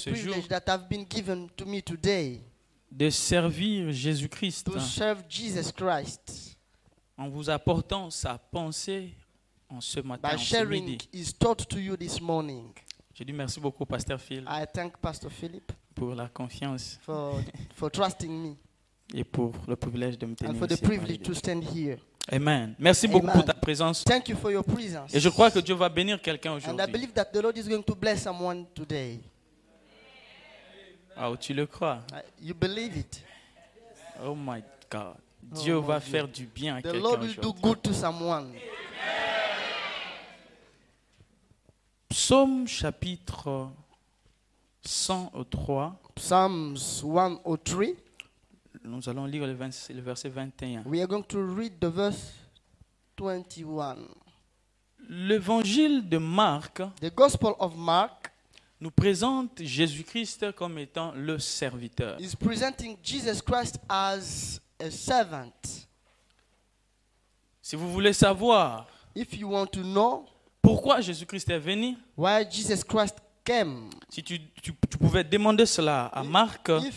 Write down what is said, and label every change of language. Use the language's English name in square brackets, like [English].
[English] For the privilege that have been given to me today. [French] De servir Jésus-Christ, [English] to serve Jesus Christ, [French] en vous apportant sa pensée en ce matin, [English] by [French] en ce midi. [English] His thought to you this morning. [French] Je dis merci beaucoup, Pasteur Phil. [English] I thank Pastor Philip [French] pour la confiance, [English] for trusting me, [French] et pour le privilège de me tenir ici. [English] For the privilege to stand here. [French] Amen. Merci beaucoup Amen. Pour ta présence. [English] Thank you for your presence. [French] Et je crois que Dieu va bénir quelqu'un aujourd'hui. [English] And I believe that the Lord is going to bless someone today. [French] Ah, tu le crois? [English] You believe it? Oh my God. [French] Dieu va faire du bien à quelqu'un. [English] The Lord will do good to someone. [French] Psaume chapitre 103. [English] Psalms 103. [French] Nous allons lire le verset 21. [English] We are going to read the verse 21. [French] L'évangile de Marc. [English] The Gospel of Mark. [French] Nous présente Jésus-Christ comme étant le serviteur. [English] He's presenting Jesus Christ as a servant. [French] Si vous voulez savoir, [English] if you want to know, [French] pourquoi Jésus-Christ est venu, [English] why Jesus Christ came, [French] si tu pouvais demander cela à Marc,